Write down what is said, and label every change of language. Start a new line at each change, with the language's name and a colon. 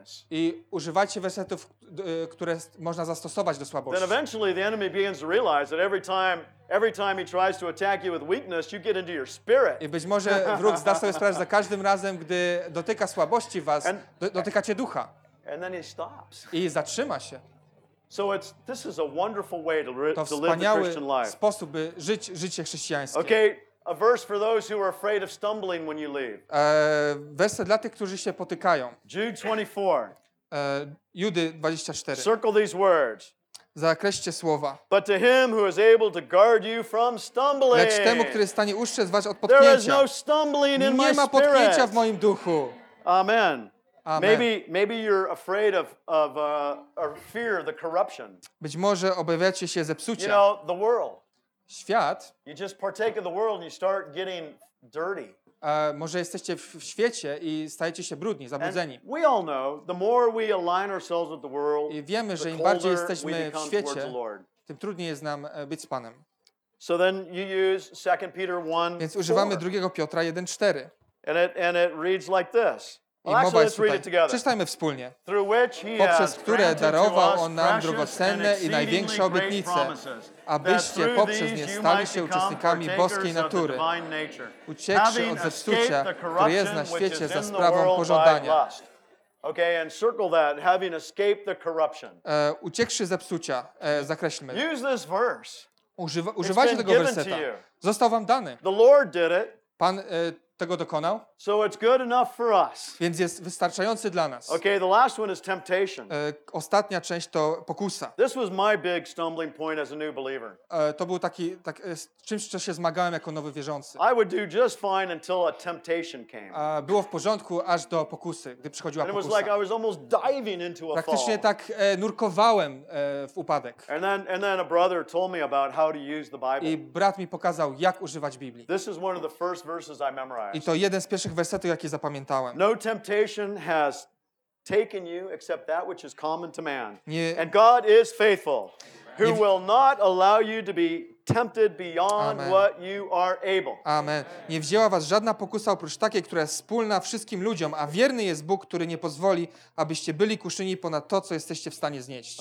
Polish: I używajcie wersetów, które można zastosować do słabości.
English: Then eventually the enemy begins to realize that every time he tries to attack you with weakness, you get into your spirit.
Polish: I być może wróg zda sobie sprawę, że za każdym razem, gdy dotyka słabości was, dotyka cię ducha.
English: And then he stops.
Polish: I zatrzyma się.
English: So this is a wonderful way to live the Christian life.
Polish: To wspaniały sposób, by żyć życie chrześcijańskie.
English: Okay, a verse for those who are afraid of stumbling when you leave.
Polish: Werset dla tych, którzy się potykają.
English: Jude 24.
Polish: Judy 24.
English: Circle these words.
Polish: Zakreślcie słowa.
English: But to him who is able to guard you from stumbling.
Polish: Lecz temu, który jest w stanie ustrzec was od potknięcia.
English: There is no stumbling in my spirit.
Polish: Nie ma potknięcia w moim duchu.
English: Amen.
Polish: Amen.
English: Maybe you're afraid of fear the corruption.
Polish: Być może obawiacie się zepsucia.
English: You know, the world.
Polish: Świat.
English: You just partake of the world and you start getting dirty.
Polish: Może jesteście w świecie i stajecie się brudni, zabrudzeni.
English: We all know, the more we align ourselves with the world,
Polish: i wiemy, że im bardziej jesteśmy w świecie, tym trudniej jest nam być z Panem.
English: So then you use 2 Peter 1:4.
Polish: Więc używamy 2 Piotra 1:4.
English: And it reads like this.
Polish: Przeczytajmy wspólnie. Poprzez które darował On nam drogocenne i największe obietnice, abyście poprzez nie stali się uczestnikami boskiej natury, uciekli od zepsucia, które jest na świecie za sprawą pożądania.
English: Okay, and circle that, having escaped the corruption.
Polish: Uciekli zepsucia, zakreślmy.
English: Use this verse.
Polish: Używajcie tego wersetu. Został wam dany.
English: The Lord did it.
Polish: Pan tego dokonał.
English: So it's good enough for us.
Polish: Więc jest wystarczający dla nas.
English: Okay, the last one is temptation.
Polish: Ostatnia część to pokusa.
English: This was my big stumbling point as a new believer.
Polish: To był taki tak czymś, co się zmagałem jako nowy wierzący.
English: I would do just fine until a temptation came.
Polish: Było w porządku aż do pokusy, gdy przychodziła
English: and
Polish: pokusa.
English: It was like I was almost diving into a fall.
Polish: Praktycznie tak nurkowałem w upadek.
English: And then a brother told me about how to use the Bible.
Polish: I brat mi pokazał, jak używać Biblii.
English: This is one of the first verses I memorized.
Polish: I to jeden z pierwszych wersetów, jakie zapamiętałem.
English: No temptation has taken you except that which is common to man. And God is faithful, who will not allow you to be tempted beyond what you are able. Amen.
Polish: Nie wzięła was żadna pokusa oprócz takiej, która jest wspólna wszystkim ludziom, a wierny jest Bóg, który nie pozwoli, abyście byli kuszeni ponad to, co jesteście w stanie znieść.